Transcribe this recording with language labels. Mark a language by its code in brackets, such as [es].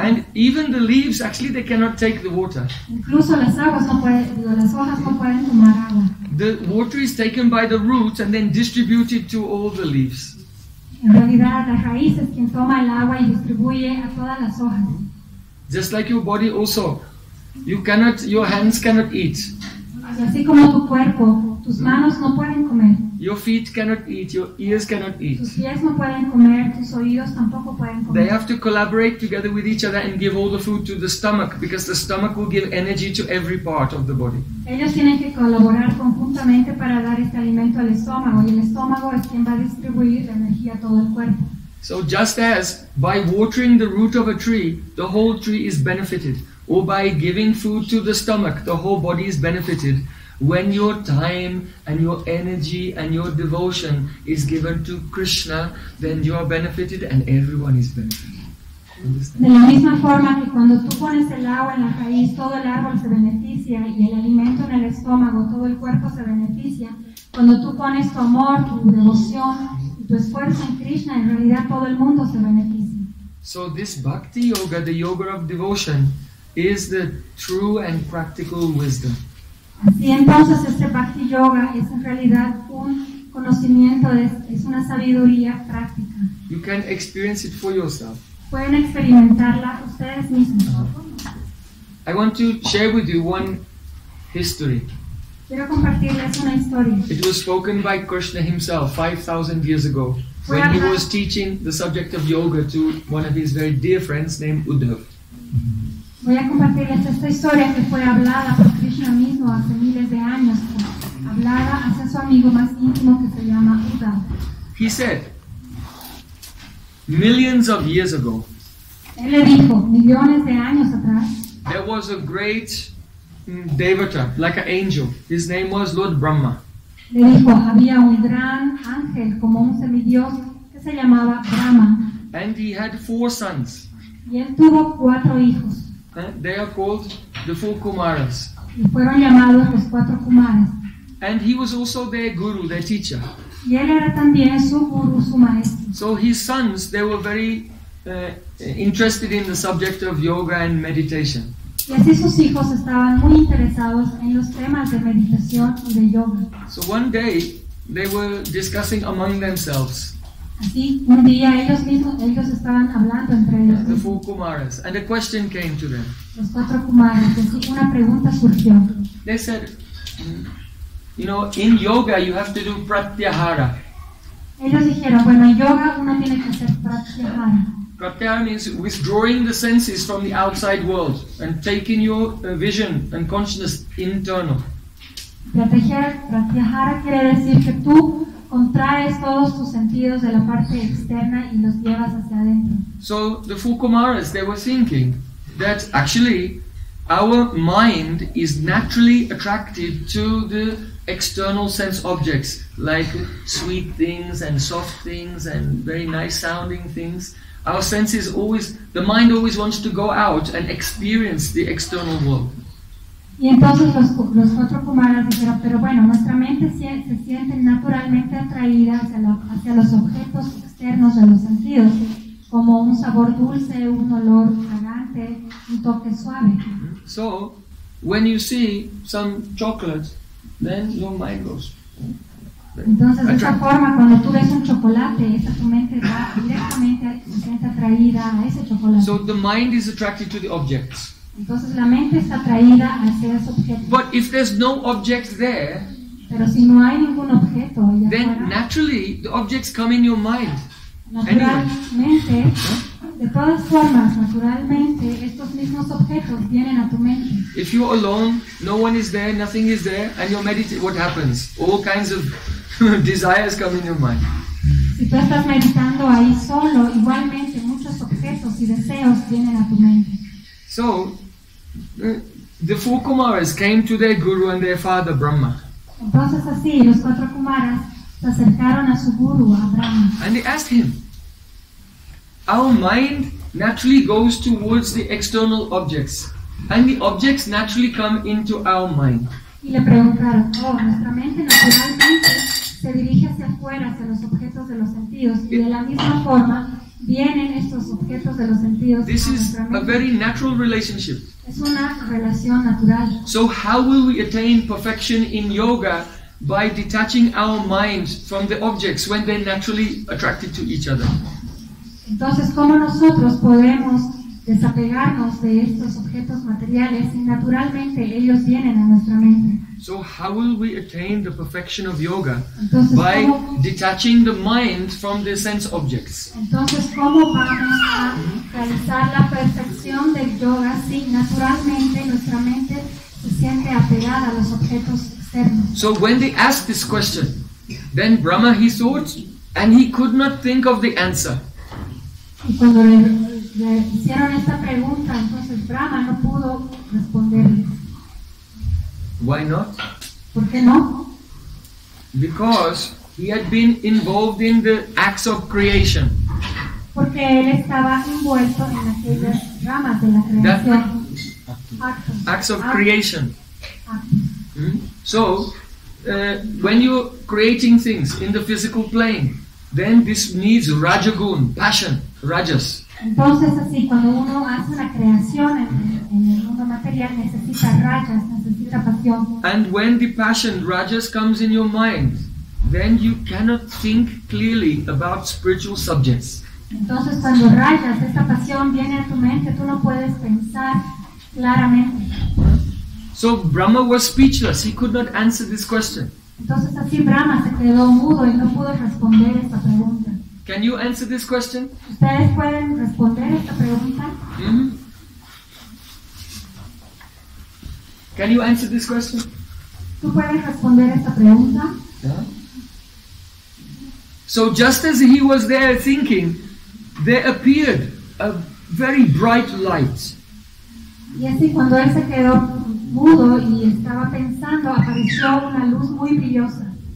[en] And even the leaves, actually, they cannot take the water. [es] Incluso las hojas no pueden tomar agua. [en] The water is taken by the roots and then distributed to all the leaves. [es] En realidad, la raíz es quien toma el agua y distribuye a todas las hojas. [en] Just like your body also. Your hands cannot eat. [es] Así como tu cuerpo, tus manos no pueden comer. [en] Your feet cannot eat, your ears cannot eat. [es] Tus pies no pueden comer, tus oídos tampoco pueden comer. [en] They have to collaborate together with each other and give all the food to the stomach because the stomach will give energy to every part of the body. [es] Ellos tienen que colaborar conjuntamente para dar este alimento al estómago y el estómago es quien va a distribuir la energía a todo el cuerpo. [en] So just as by watering the root of a tree, the whole tree is benefited, or by giving food to the stomach, the whole body is benefited. When your time and your energy and your devotion is given to Krishna, then you are benefited and everyone is benefited. [es] De la misma forma que cuando tú pones el agua en la raíz, todo el árbol se beneficia y el alimento en el estómago, todo el cuerpo se beneficia. Cuando tú pones tu amor, tu devoción y tu esfuerzo en Krishna, en realidad todo el mundo se beneficia. [en] So this bhakti yoga, the yoga of devotion, is the true and practical wisdom. [es] Así entonces este bhakti yoga es en realidad un conocimiento, es una sabiduría práctica. [en] You can experience it for yourself. [es] Pueden experimentarla ustedes mismos. [en] I want to share with you one history. [es] Quiero compartirles una historia. [en] It was spoken by Krishna himself 5,000 years ago when he was teaching the subject of yoga to one of his very dear friends named Uddhav. [es] Voy a compartirles esta historia que fue hablada por Krishna mismo hace miles de años, hablada hacia su amigo más íntimo que se llama Uddhav. [en] He said, millions of years ago, [es] él le dijo, millones de años atrás, [en] there was a great devata, like an angel. His name was Lord Brahma. [es] Le dijo, había un gran ángel, como un semidios, que se llamaba Brahma. [en] And he had four sons. [es] Y él tuvo cuatro hijos. [en] They are called the four Kumaras. [es] Y fueron llamados los cuatro Kumaras. [en] And he was also their guru, their teacher. [es] Y él era también su guru, su maestro. [en] So his sons, they were very interested in the subject of yoga and meditation. [es] Y así sus hijos estaban muy interesados en los temas de meditación y de yoga. [en] So one day, they were discussing among themselves. [es] Así, un día ellos estaban hablando entre ellos mismos. [en] The four Kumaras. And a question came to them. [es] Los cuatro Kumaras, así una pregunta surgió. [en] They said, you know, in yoga you have to do pratyahara. [es] Ellos dijeron, bueno, en yoga uno tiene que hacer pratyahara. [en] Pratyahara means withdrawing the senses from the outside world and taking your vision and consciousness internal. [es] Pratyahara quiere decir que tú contraes todos tus sentidos de la parte externa y los llevas hacia adentro. [en] So the four Kumaras, they were thinking that actually our mind is naturally attracted to the external sense objects like sweet things and soft things and very nice sounding things. Our senses always, the mind always wants to go out and experience the external world. [es] Y entonces los cuatro Kumaras dijeron, pero bueno, nuestra mente se siente naturalmente atraída hacia los objetos externos de los sentidos, como un sabor dulce, un olor fragante, un toque suave. [en] So, when you see some chocolate, then your mind goes. [es] Entonces, de esa forma, cuando tú ves un chocolate, esa tu mente va directamente, se siente atraída a ese chocolate. [en] So the mind is attracted to the objects. [es] Entonces, la mente está atraída hacia ese objeto. [en] But if there's no object there, [es] pero si no hay ningún objeto, [en] then [es] fuera, [en] naturally the objects come in your mind. [es] Naturalmente, de todas formas, naturalmente, estos mismos objetos vienen a tu mente. [en] If you're alone, no one is there, nothing is there, and you're meditating, what happens? All kinds of desires come in your mind. [es] Si tú estás meditando ahí solo, igualmente muchos objetos y deseos vienen a tu mente. [en] So, the four Kumaras came to their guru and their father, Brahma. [es] Entonces así, los cuatro Kumaras se acercaron a su guru, a Brahma. [en] And they asked him, our mind naturally goes towards the external objects, and the objects naturally come into our mind. [es] Y le preguntaron, oh, nuestra mente naturalmente se dirige hacia afuera, hacia los objetos de los sentidos, y de la misma forma vienen estos objetos de los sentidos. [en] This is a very natural relationship. [es] Es una relación natural. [en] So how will we attain perfection in yoga by detaching our minds from the objects when they're naturally attracted to each other? [es] Entonces, ¿cómo nosotros podemos desapegarnos de estos objetos materiales si naturalmente ellos vienen a nuestra mente? [en] So how will we attain the perfection of yoga? [es] Entonces, [en] by detaching the mind from the sense objects? [es] Entonces, ¿cómo vamos a realizar la perfección del yoga si naturalmente nuestra mente se siente apegada a los objetos externos? [en] So when they asked this question, then Brahma, he thought, and he could not think of the answer. [es] Y cuando le hicieron esta pregunta, entonces Brahma no pudo responderle. [en] Why not? [es] ¿Por qué no? [en] Because he had been involved in the acts of creation. [es] Porque él estaba envuelto en aquellas ramas de la creación. [en] Acts of creation. So, when you're creating things in the physical plane, then this needs rajagun, passion, rajas. [es] Entonces, así, cuando uno hace una creación en el mundo material, necesita rayas, necesita pasión. [en] And when the passion rajas comes in your mind, then you cannot think clearly about spiritual subjects. [es] Entonces, cuando rayas, esta pasión viene a tu mente, tú no puedes pensar claramente. [en] So Brahma was speechless. He could not answer this question. [es] Entonces, así Brahma se quedó mudo y no pudo responder esta pregunta. [en] Can you answer this question? [es] ¿Ustedes pueden responder esta pregunta? Mm-hmm. [en] Can you answer this question? [es] ¿Tú puedes responder esta pregunta? [en] Yeah. So just as he was there thinking, there appeared a very bright light. [es] Y así cuando él se quedó mudo y estaba pensando, apareció una luz muy brillosa.